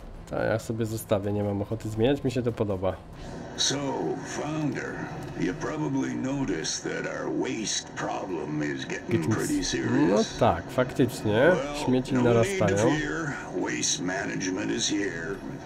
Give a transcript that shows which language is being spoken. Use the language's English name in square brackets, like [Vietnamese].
[Polish] Tak, ja sobie zostawię, nie mam ochoty zmieniać, mi się to podoba. [English] So, founder, you probably noticed that our waste problem is getting pretty serious. [Polish] No tak, faktycznie, śmieci narastają. [English] Waste management is here.